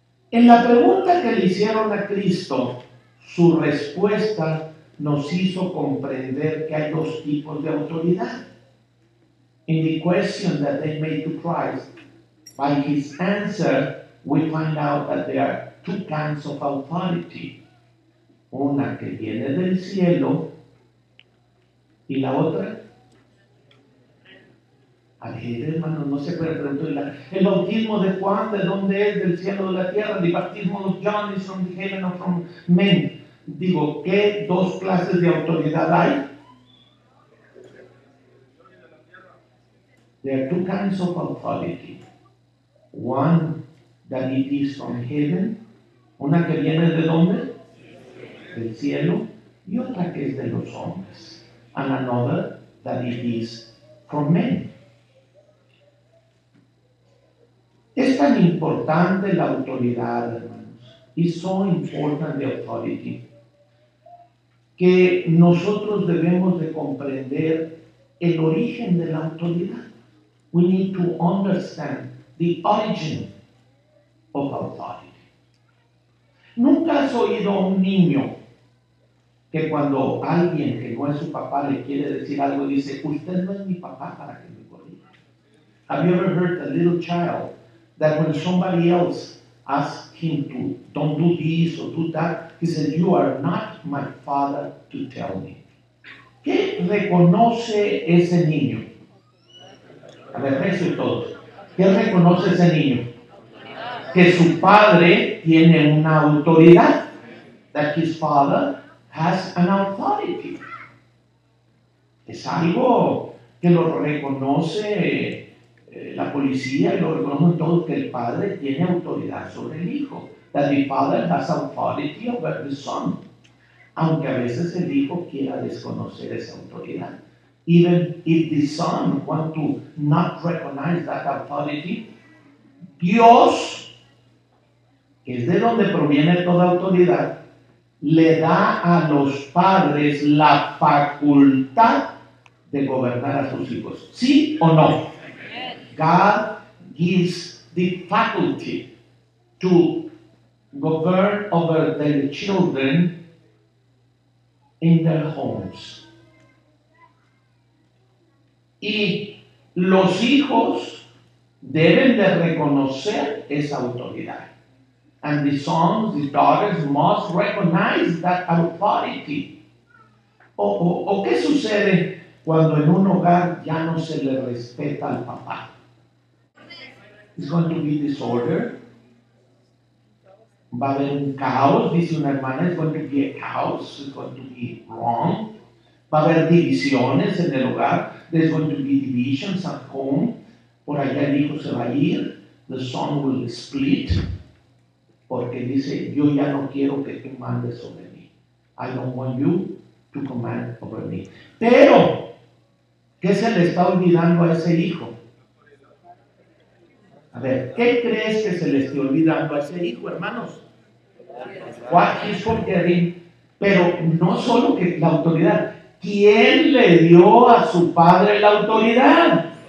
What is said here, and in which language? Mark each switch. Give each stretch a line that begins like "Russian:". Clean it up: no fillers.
Spanish: En la pregunta que le hicieron a Cristo, su respuesta nos hizo comprender que hay dos tipos de autoridad.
English: In the question that they made to Christ, by his answer, we find out that there are two kinds of authority.
Spanish: Una que viene del cielo y la otra. A ver, hermano, no se puede preguntar. El bautismo de Juan, ¿de dónde es? ¿Del cielo o de la tierra? ¿El bautismo de John
English: is from heaven or from men?
Spanish: Digo, ¿qué dos clases de autoridad hay?
English: There are two kinds of authority. One that it is from heaven.
Spanish: Una que viene de dónde? Del cielo. Y otra que es de los hombres.
English: And another that it is from men.
Spanish: Es tan importante la autoridad, hermanos, y
English: so important the authority,
Spanish: que nosotros debemos de comprender el origen de la autoridad.
English: We need to understand the origin of authority.
Spanish: ¿Nunca has oído a un niño que cuando alguien que no es su papá le quiere decir algo, dice, usted no es mi papá para que me corrija?
English: Have you ever heard a little child that when somebody else asks him to don't do this or do that, he said, you are not my father to tell me.
Spanish: ¿Qué reconoce ese niño? A ver, rezo todos. ¿Qué reconoce ese niño? que su padre tiene una autoridad.
English: That his father has an authority.
Spanish: Es algo que lo reconoce la policía y lo reconoce todo, que el padre tiene autoridad sobre el hijo.
English: That the father has authority over the son.
Spanish: Aunque a veces el hijo quiera desconocer esa autoridad.
English: Even if the son wants to not recognize that authority,
Spanish: Dios, que es de donde proviene toda autoridad, le da a los padres la facultad de gobernar a sus hijos. ¿Sí o no?
English: God gives the faculty to govern over their children in their homes.
Spanish: Y los hijos deben de reconocer esa autoridad.
English: And the sons, the daughters, must recognize that authority.
Spanish: ¿O qué sucede cuando en un hogar ya no se le respeta al papá?
English: It's going to be disorder.
Spanish: Va a haber un caos, dice una hermana,
English: it's going to be a chaos, it's going to be wrong.
Spanish: Va a haber divisiones en el hogar,
English: there's going to be divisions at home.
Spanish: Por allá el hijo se va a ir,
English: the son will split.
Spanish: Porque dice, yo ya no quiero que tú mandes sobre mí.
English: I don't want you to command over me.
Spanish: Pero, ¿qué se le está olvidando a ese hijo? A ver, ¿qué crees que se le esté olvidando a ese hijo, hermanos?
English: What is forgetting?
Spanish: Pero no solo que la autoridad. ¿Quién le dio a su padre la autoridad?